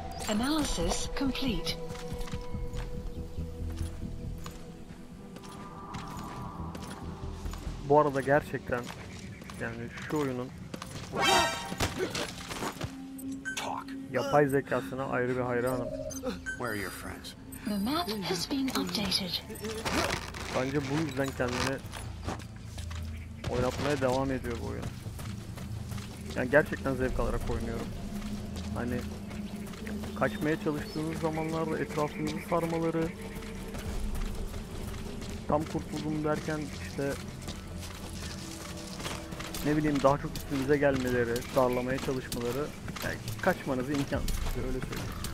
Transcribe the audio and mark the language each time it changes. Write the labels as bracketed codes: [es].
[en] Analysis complete. [tr] Bu arada gerçekten yani şu oyunun yapay zekasına ayrı bir hayranım. [en] Where are your friends? The map has been updated. [tr] Bence bu yüzden kendini oynatmaya devam ediyor bu oyun. Yani gerçekten zevk alarak oynuyorum. Hani kaçmaya çalıştığınız zamanlarda etrafınızı sarmaları, tam kurtuldum derken işte ne bileyim daha çok üstünüze gelmeleri, darlamaya çalışmaları, yani kaçmanız imkansız diye öyle söyleyeyim.